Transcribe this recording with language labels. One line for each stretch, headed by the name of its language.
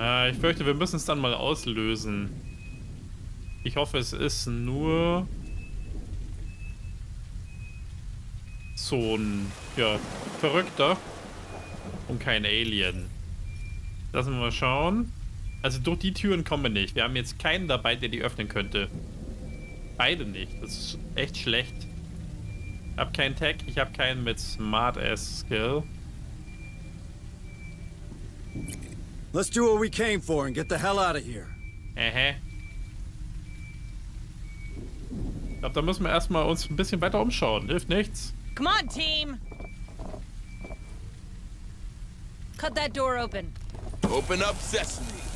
German: Ich fürchte, wir müssen es dann mal auslösen. Ich hoffe, es ist nur so ein Verrückter und kein Alien. Lassen wir mal schauen. Also durch die Türen kommen wir nicht. Wir haben jetzt keinen dabei, der die öffnen könnte. Beide nicht. Das ist echt schlecht. Ich habe keinen Tech, ich habe keinen mit Smart-Ass-Skill.
English: Let's do what we came for and get the hell out of here.
German: Ich glaube, da müssen wir erstmal uns ein bisschen weiter umschauen. Hilft nichts.
English: Come on, team. Cut that door open. Open up, Sesame.